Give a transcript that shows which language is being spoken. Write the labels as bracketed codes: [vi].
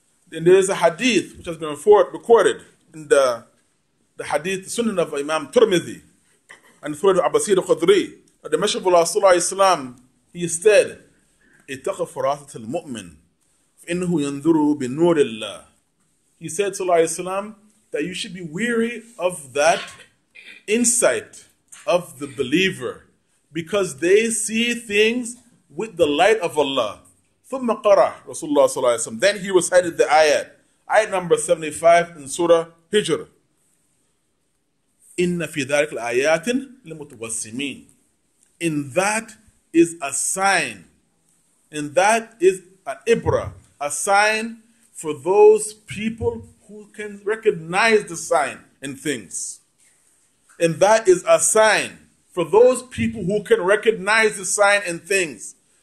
[en] And there is a hadith which has been recorded in the hadith, the sunnah of Imam Tirmidhi and the sunnah of Abbasid al-Khudri, that the Messenger of Allah sallallahu alayhi wa sallam, he said, [ar] اتق فراسة المؤمن فإنه ينظر بنور الله. [en] He said, sallallahu alayhi wa sallam, that you should be weary of that insight of the believer, because they see things with the light of Allah. [ar] ثم قرأ رسول الله صلى الله عليه وسلم. [en] Then he recited the ayat, ayat number 75 in Surah Hijr. [ar] إن في ذلك الآيات لمتوسمين. [en] In that is a sign. And that is an ibra, a sign for those people who can recognize the sign in things. And that is a sign for those people who can recognize the sign in things.